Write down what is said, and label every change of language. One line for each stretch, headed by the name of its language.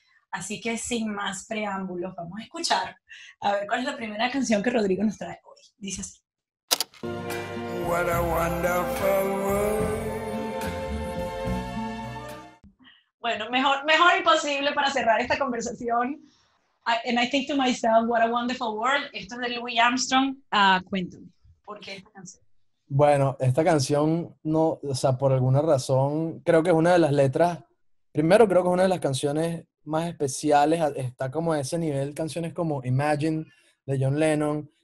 Spanish: Así que sin más preámbulos, vamos a escuchar, a ver cuál es la primera canción que Rodrigo nos trae hoy. Dice así.
English: What a wonderful world.
Spanish: Bueno, mejor imposible para cerrar esta conversación.
English: And I think to myself, what a wonderful world.
Spanish: Esto es de Louis Armstrong. Cuéntame, ¿por qué esta canción? Bueno, esta canción, no, o sea, por alguna razón, creo que es una de las letras, primero creo que es una de las canciones más especiales, está como a ese nivel, canciones como Imagine de John Lennon.